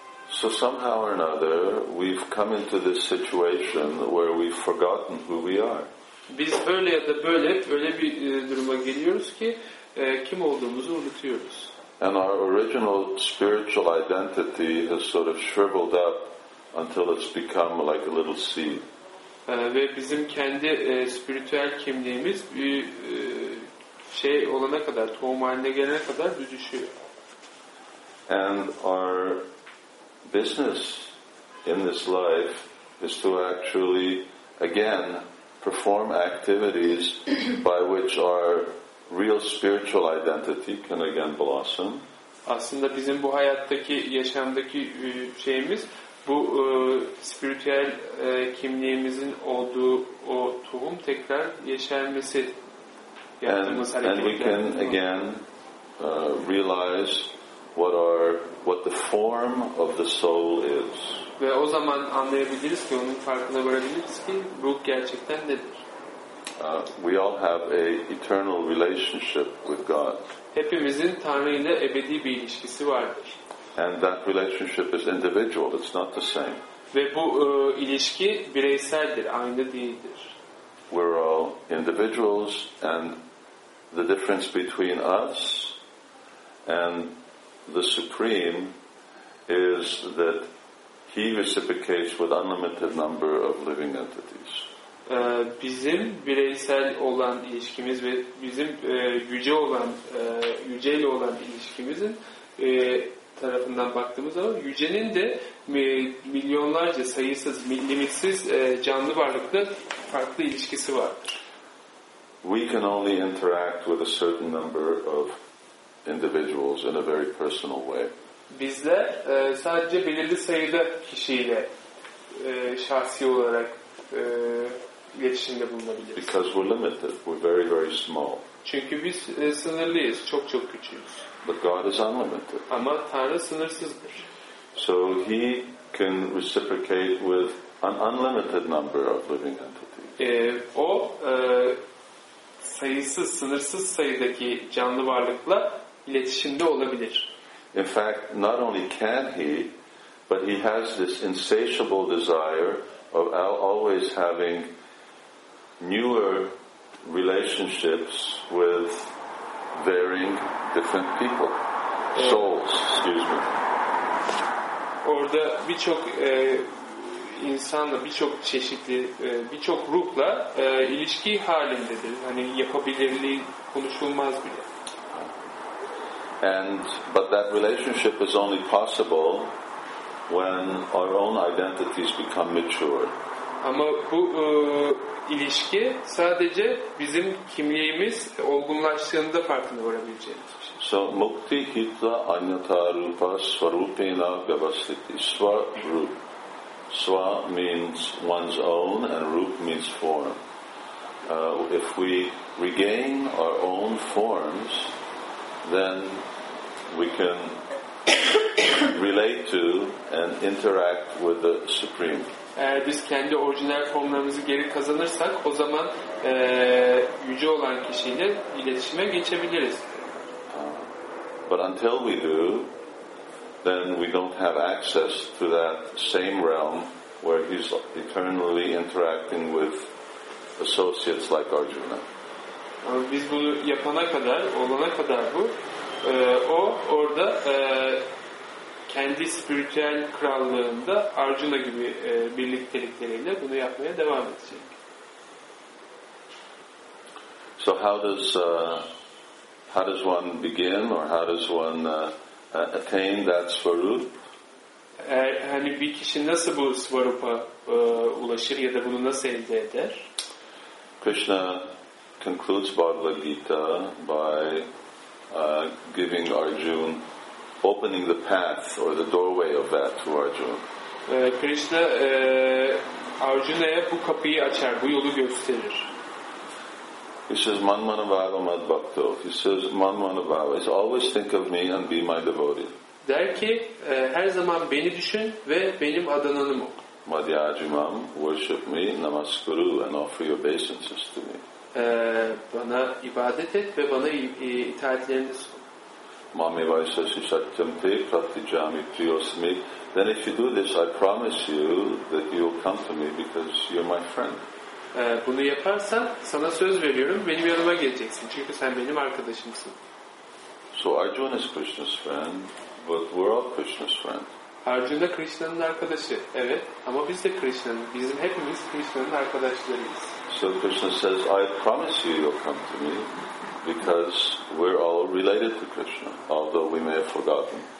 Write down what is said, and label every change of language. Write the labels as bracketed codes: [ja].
[en] So somehow or another we've come into this situation where we've forgotten who we are. [tr] Biz öyle ya da böyle öyle bir duruma geliyoruz ki kim olduğumuzu unutuyoruz. [en] And our original spiritual identity has sort of shriveled up until it's become like a little seed. [tr] Ve bizim kendi spiritüel kimliğimiz bir şey olana kadar, tohum haline gelene kadar düşüşüyor. [en] And our business in this life is to actually again perform activities by which our real spiritual identity can again blossom. [tr] Aslında bizim bu hayattaki yaşamdaki şeyimiz bu spiritüel kimliğimizin olduğu o tohum tekrar yeşermesi. [en] And we can again realize what the form of the soul is. [tr] Ve o zaman anlayabiliriz ki, onun farkına varabiliriz ki ruh gerçekten nedir. [en] We all have a eternal relationship with God. [tr] Hepimizin Tanrı ile ebedi bir ilişkisi vardır. [en] And that relationship is individual. It's not the same. [tr] Ve bu ilişki bireyseldir, aynı değildir. [en] We're all individuals, and the difference between us and the Supreme is that He reciprocates with unlimited number of living entities. [tr] Bizim bireysel olan ilişkimiz ve bizim yüce olan, yüceyle olan ilişkimizin tarafından baktığımız zaman yücenin de milyonlarca, sayısız, limitsiz canlı varlıkla farklı ilişkisi vardır. [en] We can only interact with a certain number of individuals in a very personal way. [tr] Bizler sadece belirli sayıda kişiyle şahsi olarak iletişimde bulunabiliriz. [en] Because we're limited, we're very very small. [tr] Çünkü biz sınırlıyız, çok çok küçüğüz. [en] But God is unlimited. [tr] Ama Tanrı sınırsızdır. [en] So He can reciprocate with an unlimited number of living entities. [tr] O sayısız, sınırsız sayıdaki canlı varlıkla iletişimde olabilir. [en] In fact, not only can he, but he has this insatiable desire of always having newer relationships with varying different people. Souls, excuse me. [tr] Orada birçok insanla, birçok çeşitli, birçok ruhla ilişki halindedir. Hani yapabilirliği konuşulmaz bile. [en] But that relationship is only possible when our own identities become mature. [tr] Ama bu ilişki sadece bizim kimliğimiz olgunlaştığında farkına varabileceğimiz bir şey. [sa] So mukti hitva anyata rupa svarupena vyavastiti. Sva rup. [en] Sva means one's own and rup means form. If we regain our own forms, then we can relate to and interact with the Supreme. [tr] Eğer biz kendi orijinal formlarımızı geri kazanırsak, o zaman yüce olan kişiyle iletişime geçebiliriz. [en] But until we do, then we don't have access to that same realm where he's eternally interacting with associates like Arjuna. [tr] Biz bunu yapana kadar, olana kadar bu o orada kendi spiritüel krallığında Arjuna gibi birliktelikleriyle bunu yapmaya devam edecek. [en] So how does one begin or how does one attain that svarup? [tr] Hani bir kişi nasıl bu svarupa ulaşır ya da bunu nasıl elde eder? [en] Krishna concludes Bhagavad Gita by giving Arjuna, opening the path or the doorway of that to Arjuna. [tr] Krishna Arjuna'ya bu kapıyı açar, bu yolu gösterir. [en] He says, [sa] Manmanabhava Madbhakto. [en] He says, Manmanabhava. He says, always think of me and be my devotee. [tr] Der ki, her zaman beni düşün ve benim adananım ol. [en] Madhyajimam, worship me, namaskuru, and offer your obeisances to me. [tr] Bana ibadet et ve bana itaatlerini sun. [sa] Mami vaisasi satyamte pratijami priyosmi. [en] Then if you do this, I promise you that you will come to me because you're my friend. [tr] Bunu yaparsan sana söz veriyorum, benim yanıma geleceksin çünkü sen benim arkadaşımsın. [en] So Arjuna is Krishna's friend, but we're all Krishna's friend. [tr] Arjuna Krishna'nın arkadaşı, evet. Ama biz de Krishna'nın, bizim hepimiz Krishna'nın arkadaşlarıyız. [en] So Krishna says, I promise you, you'll come to me because we're all related to Krishna, although we may have forgotten.